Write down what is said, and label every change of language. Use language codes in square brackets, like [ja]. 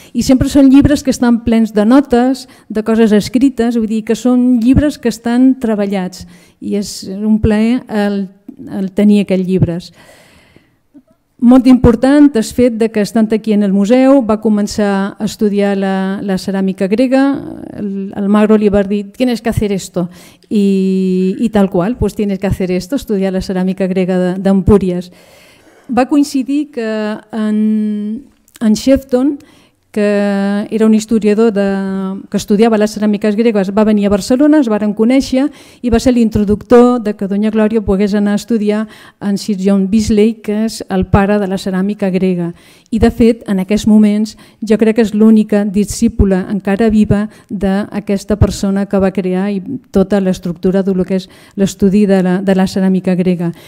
[ca] I sempre són llibres que estan plens de notes, de coses escrites, vull dir que són llibres que estan treballats, i és un plaer el tenir aquests llibres. Molt important el fet de que, estant aquí en el museu, va començar a estudiar la ceràmica grega. El Magro li va dir, [es] tienes que hacer esto, [ca] i tal qual, [es] pues tienes que hacer esto, [ca] estudiar la ceràmica grega d'Empúries. Va coincidir que en Shefton, que era un historiador que estudiava les ceràmiques gregues, va venir a Barcelona, es varen conèixer i va ser l'introductor de que Doña Glòria pogués anar a estudiar en Sir John Beazley, que és el pare de la ceràmica grega. I de fet, en aquests moments, jo crec que és l'única discípula encara viva d'aquesta persona que va crear i tota l'estructura del que és l'estudi de la ceràmica grega.